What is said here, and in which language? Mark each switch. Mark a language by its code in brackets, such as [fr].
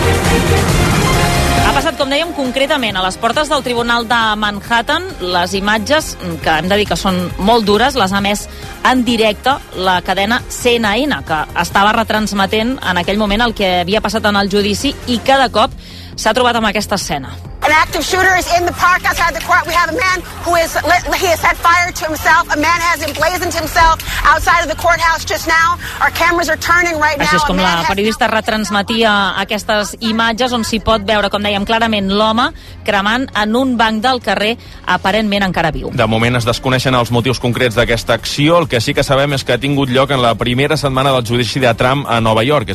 [ca] Ha passat, com dèiem, concretament a les portes del Tribunal de Manhattan. Les imatges, que hem de dir que són molt dures, les ha emès en directe la cadena CNN, que estava retransmetent en aquell moment el que havia passat en el judici i cada cop s'ha trobat amb aquesta escena. [en] An active shooter is in the park outside the court. We have a man who is lit, he has set fire to himself. A man has emblazoned himself outside of the courthouse just now. Our cameras are turning right now. [ca] Així és com la periodista retransmetia aquestes imatges on s'hi pot veure, com dèiem, clarament l'home cremant en un banc del carrer, aparentment encara viu. De moment es desconeixen els motius concrets d'aquesta acció. El que sí que sabem és que ha tingut lloc en la primera setmana del judici de Trump a Nova York.